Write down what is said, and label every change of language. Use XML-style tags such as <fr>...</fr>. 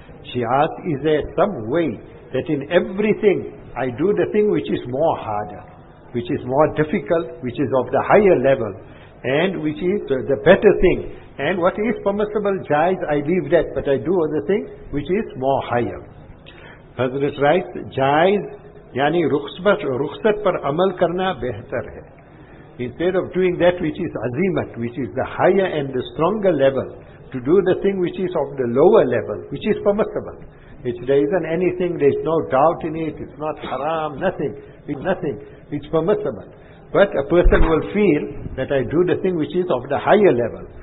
<en>She asked, is there some way that in everything I do the thing which is more harder, which is more difficult, which is of the higher level, and which is the better thing, and what is permissible, jaiz, I leave that, but I do other things which is more higher. Hazrat writes, jaiz</en> <ur>یعنی رخصت پر عمل کرنا بہتر ہے.</ur> <en>Instead of doing that which is azimat, which is the higher and the stronger level, to do the thing which is of the lower level, which is permissible. There isn't anything, there is no doubt in it, it's not haram, nothing. It's nothing, it's permissible. But a person will feel that I do the thing which is of the higher level.</en>